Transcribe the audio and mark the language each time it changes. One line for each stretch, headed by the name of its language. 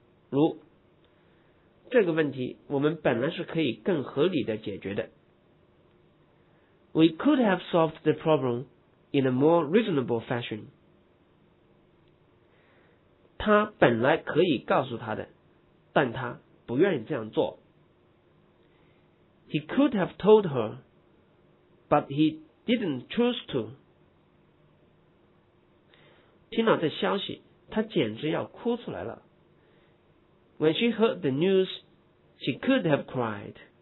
Chinese: 如这个问题我们本来是可以更合理的解决的，
English: We could have solved the problem in a more reasonable fashion。
Chinese: 他本来可以告诉他的，但他不愿意这样做。
English: He could have told her but he didn't choose to。
Chinese: 听到这消息他简直要哭出来了。
English: When she heard the news she could have cried。